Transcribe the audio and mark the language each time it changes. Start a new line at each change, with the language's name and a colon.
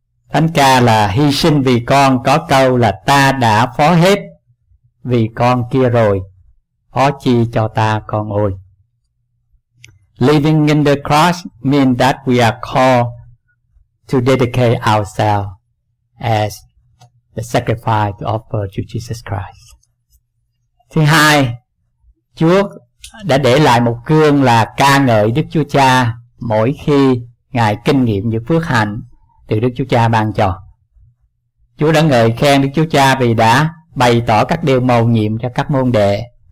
Vietnamese: Thánh ca là hy sinh vì con, có câu là ta đã phó hết vì con kia rồi, phó chi cho ta con ơi.
English: Living in the cross means that we are called to dedicate ourselves as the sacrifice to offer to Jesus Christ.
Vietnamese: Thứ hai, Chúa đã để lại một gương là ca ngợi Đức Chúa Cha mỗi khi Ngài kinh nghiệm những phước hạnh từ Đức Chúa Cha ban cho. Chúa đã ngợi khen Đức Chúa Cha vì đã bày tỏ các điều mầu nhiệm cho các môn đệ.